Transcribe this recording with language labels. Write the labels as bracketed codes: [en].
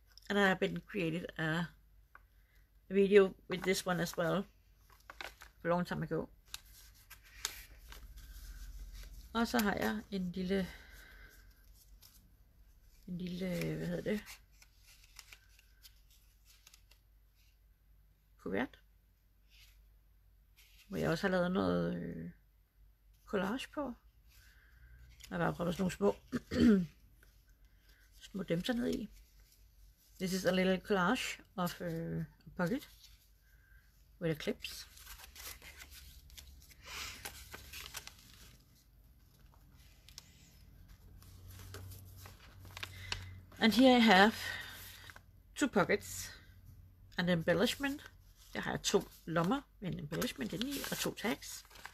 [en] And I've been created a video with this one as well, a long time ago. [da] Og så har jeg en lille, hvad hedder det? Kuvert, hvor jeg også har lavet noget collage på. Jeg har bare prøvet sådan nogle små små dæmser ned i. [en] This is a little collage of a pocket with a clips. And here I have two pockets, an embellishment. [da] Jeg har to lommer med en embellishment indeni og to tags.